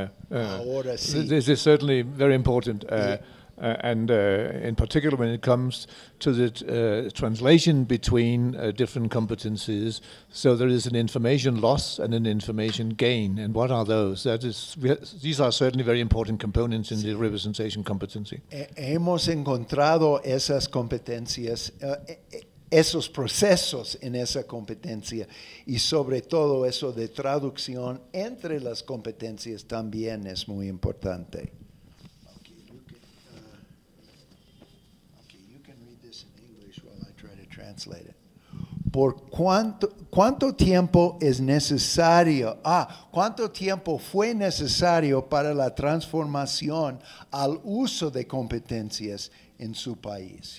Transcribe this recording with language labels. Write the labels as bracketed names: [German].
[English] This is certainly very important, in particular when it comes to the translation between different competencies. So there is an information loss and an information gain. And what are those? These are certainly very important components in the representation competency. [Spanish] Hemos encontrado esas competencias. Esos procesos en esa competencia y sobre todo eso de traducción entre las competencias también es muy importante. [English] Okay, you can read this in English while I try to translate it. [Spanish] ¿Por cuánto tiempo es necesario? ¿Cuánto tiempo fue necesario para la transformación al uso de competencias en su país?